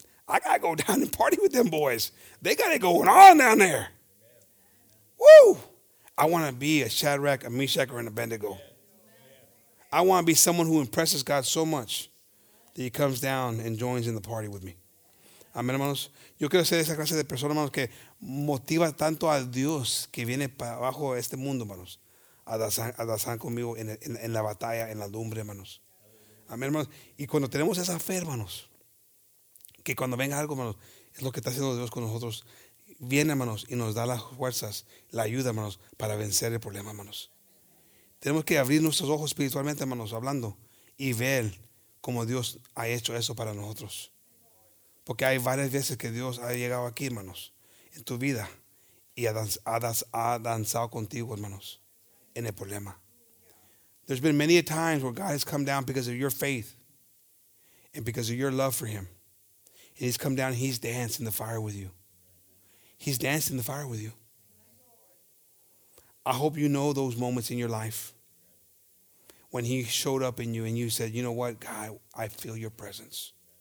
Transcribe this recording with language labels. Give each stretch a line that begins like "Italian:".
English: I got to go down and party with them boys. They got it going on down there. Woo! I want to be a Shadrach, a Meshach, or an Abednego. I want to be someone who impresses God so much that he comes down and joins in the party with me.
Spanish: Amén, hermanos. Yo quiero ser esa clase de persona, hermanos, que motiva tanto a Dios que viene para abajo de este mundo, hermanos, a danzar conmigo en la batalla, en la lumbre, hermanos. Amén, hermanos. Y cuando tenemos esa fe, hermanos, que cuando venga algo, hermanos, es lo que está haciendo Dios con nosotros. Viene, hermanos, y nos da las fuerzas, la ayuda, hermanos, para vencer el problema, hermanos. Tenemos que abrir nuestros ojos espiritualmente, hermanos, hablando, y ver cómo Dios ha hecho eso para nosotros. Porque hay varias veces que Dios ha llegado aquí, hermanos, en tu vida, y ha danzado contigo, hermanos, en el problema.
English: There's been many a times where God has come down because of your faith and because of your love for him. And he's come down and he's danced in the fire with you. He's danced in the fire with you. I hope you know those moments in your life when he showed up in you and you said, you know what, God, I feel your presence.